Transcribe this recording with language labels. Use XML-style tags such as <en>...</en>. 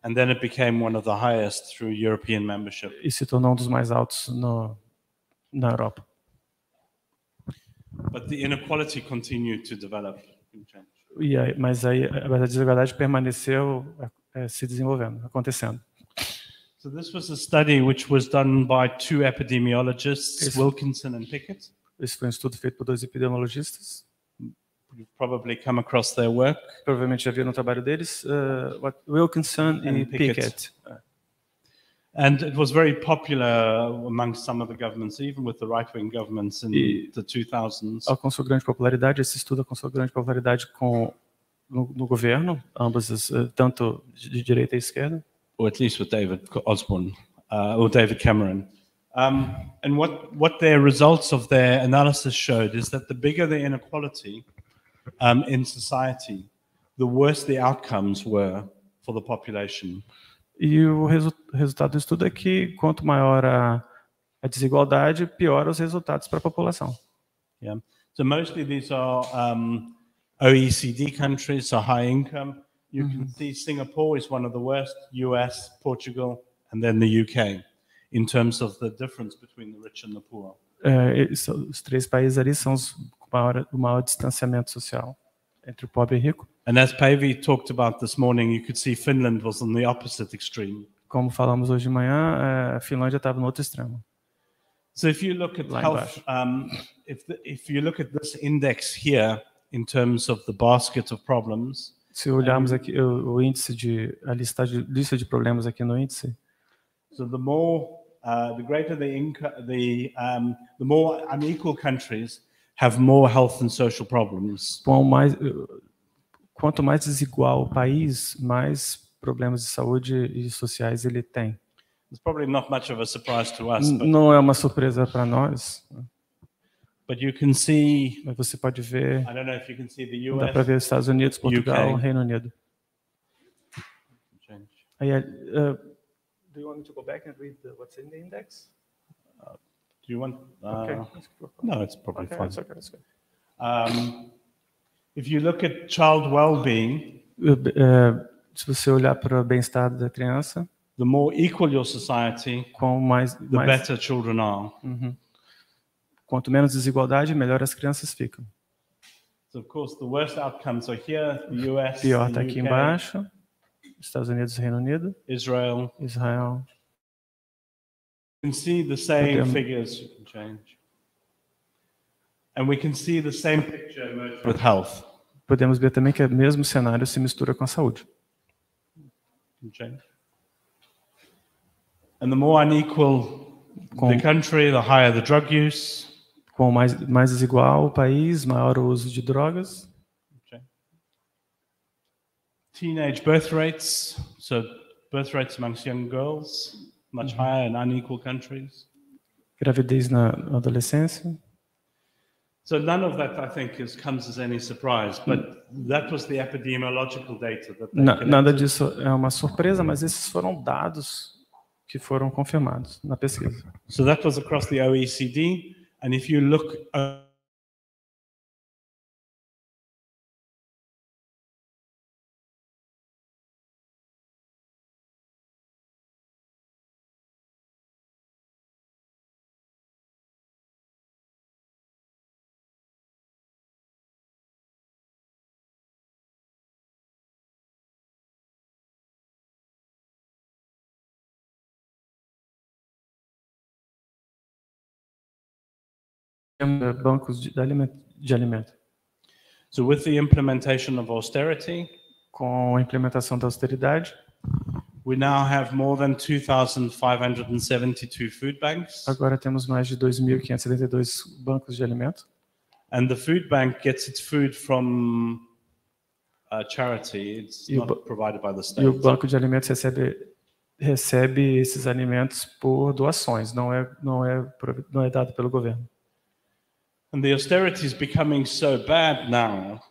<en>And then it became one of the highest through European membership.</en> <pt>E se tornou um dos mais altos na Europa.</pt> <en>But the inequality continued to develop.</en> <pt>Mas a desigualdade permaneceu se desenvolvendo, acontecendo.</pt> <en>So this was a study which was done by two epidemiologists, Wilkinson and Pickett.</en> <pt>Esse foi um estudo feito por dois epidemiologistas.</pt> <en>You've probably come across their work.</en> <pt>Provavelmente já viu no trabalho deles, Wilkinson and Pickett.</pt> <en>And it was very popular amongst some of the governments, even with the right-wing governments in the 2000s.</en> <pt>Alcançou grande popularidade, esse estudo alcançou grande popularidade no governo, ambas, tanto de direita e esquerda.</pt> <en>Or at least with David Osborne, or David Cameron. And what their results of their analysis showed is that the bigger the inequality in society, the worse the outcomes were for the population. E o resultado do estudo é que quanto maior a desigualdade, pior os resultados para a população. Yeah. So mostly these are OECD countries, so high income. you can see Singapore is one of the worst, US, Portugal, and then the UK, in terms of the difference between the rich and the poor.</en> <pt>Os três países ali são o maior distanciamento social entre o pobre e rico.</pt> <en>And as Pavi talked about this morning, you could see Finland was on the opposite extreme.</en> <pt>Como falamos hoje de manhã, a Finlândia estava no outro extremo.</pt> <en>So if you look at health, if you look at this index here in terms of the basket of problems,</en> <pt>se olharmos aqui o índice de a lista de problemas aqui no índice,</pt> <en>so the more the greater the income, the more unequal countries have more health and social problems.</en> <pt>Quanto mais desigual o país, mais problemas de saúde e sociais ele tem.</pt> <en>It's probably not much of a surprise to us.</en> <pt>Não é uma surpresa para nós.</pt> <en>But you can see,</en> <pt>mas você pode ver.</pt> <en>I don't know if you can see the US.</en> <pt>Dá para ver Estados Unidos, Portugal, UK. Reino Unido.</pt> <en>Aí, do you want me to go back and read what's in the index? Do you want? Okay. No, it's probably okay, fine. It's okay. It's good. If you look at child well-being,</en> <pt>se você olhar para o bem-estar da criança,</pt> <en>the more equal your society, the better children are.</en> <pt>Uhum. Quanto menos desigualdade, melhor as crianças ficam.</pt> <en>So of course, the worst outcomes are here, the US,</en> <pt>pior está aqui embaixo, Estados Unidos, Reino Unido, Israel.</pt> <en>We can see the same figures can change. And we can see the same picture emerging with health.</en> <pt>Podemos ver também que o mesmo cenário se mistura com a saúde.</pt> <en>And the more unequal the country, the higher the drug use.</en> <pt>Com mais desigual o país, maior o uso de drogas.</pt> <en>Okay. Teenage birth rates, so birth rates amongst young girls, much higher in unequal countries.</en> <pt>Gravidez na adolescência.</pt> <en>So none of that, I think, comes as any surprise, but that was the epidemiological data that they collected.</en> <pt>Nada disso é uma surpresa, mas esses foram dados que foram confirmados na pesquisa.</pt> <en>So that was across the OECD, and if you look</en> <pt>bancos de alimento.</pt> <en>So with the implementation of austerity,</en> <pt>com a implementação da austeridade,</pt> <en>we now have more than 2,572 food banks.</en> <pt>Agora temos mais de 2,572 bancos de alimento.</pt> <en>And the food bank gets its food from a charity. It's not provided by the state.</en> <pt>E o banco de alimentos recebe esses alimentos por doações. Não é dado pelo governo.</pt> <en>And the austerity is becoming so bad now.</en>